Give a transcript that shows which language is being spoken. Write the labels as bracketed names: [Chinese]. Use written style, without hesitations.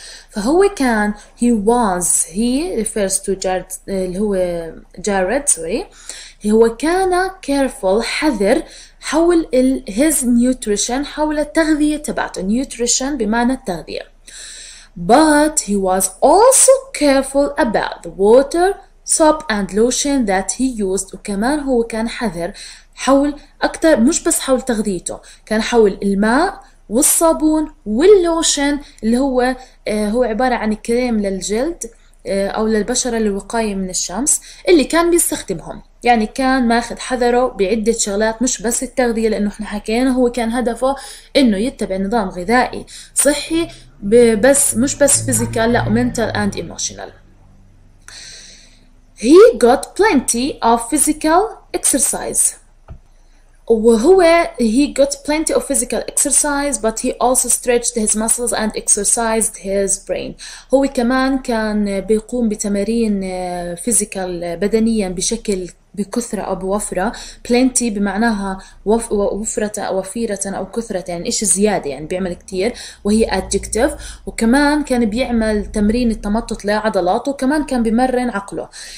[Arabic] فهو كان [English] he refers to Jared اللي هو Jared sorry. [Arabic] هو كان careful حذر حول his nutrition حول التغذية تبعته. Nutrition بمعنى التغذية. [English] But he was also careful about the water, soap and lotion that he used. [Arabic] وكمان هو كان حذر حول أكتر, مش بس حول تغذيته, كان حول الماء والصابون واللوشن اللي هو هو عبارة عن كريم للجلد أو للبشرة للوقاية من الشمس اللي كان بيستخدمهم. يعني كان ماخذ حذره بعدة شغلات مش بس التغذية, لأنه احنا حكينا هو كان هدفه إنه يتبع نظام غذائي صحي, بس مش بس فيزيكال, لا [English] mental and emotional. He got plenty of physical exercise. وهو he got plenty of physical exercise but he also stretched his muscles and exercised his brain. [Arabic] هو كمان كان بيقوم بتمارين physical بدنيا بشكل بكثرة أو بوفرة. plenty بمعناها وفرة أو وفيرة أو كثرة, يعني إيش زيادة, يعني بيعمل كتير وهي adjective. وكمان كان بيعمل تمرين التمطط لعضلاته, وكمان كان بيمرن عقله.